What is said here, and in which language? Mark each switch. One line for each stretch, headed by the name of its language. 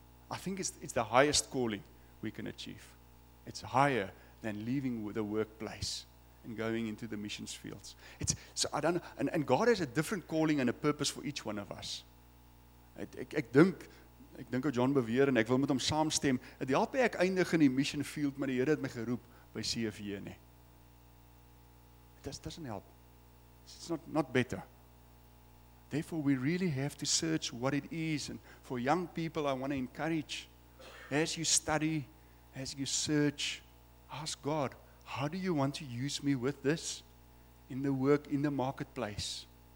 English: I think it's the highest calling we can achieve. It's higher than leaving the workplace and going into the missions fields. It's so I don't know, and God has a different calling and a purpose for each one of us.
Afrikaans: Ek dink ou John beweer en ek wil met hom saamstem. Dit help ek eindig in die mission field, maar die Here het my geroep by CFJ nie.
English: It doesn't help. It's not better. Therefore we really have to search what it is, and for young people I want to encourage, as you study, as you search, ask God, how do you want to use me with this in the work, in the marketplace?